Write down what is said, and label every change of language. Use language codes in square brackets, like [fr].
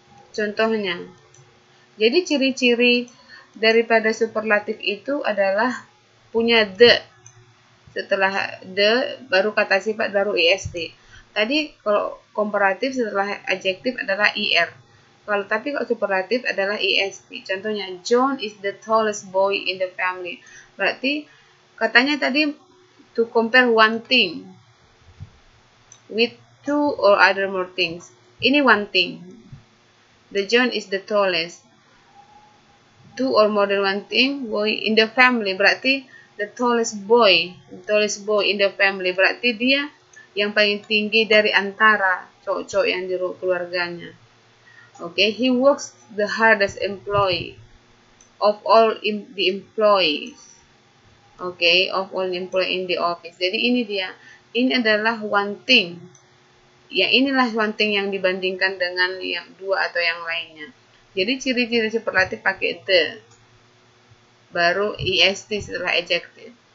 [id] Contohnya, jadi ciri-ciri daripada superlatif itu adalah punya the. Setelah the, baru kata sifat, baru est. Tadi kalau komparatif setelah adjektif adalah er. Kalau superlatif adalah est. Contohnya, [en] John is the tallest boy in the family. [id] Berarti katanya tadi [en] to compare one thing with two or other more things. [id] Ini [en] one thing. The John is the tallest. Two or more than one thing boy in the family. [id] Berarti [en] the tallest boy in the family. [id] Berarti dia yang paling tinggi dari antara cowok-cowok yang di keluarganya. [en] Oke, okay. He works the hardest employee of all the employees. Oke, okay. Of all employee in the office. [id] Jadi ini dia, ini adalah one thing. Ya, inilah one thing yang dibandingkan dengan yang dua atau yang lainnya. Jadi ciri-ciri superlatif pakai the. Baru est setelah adjective.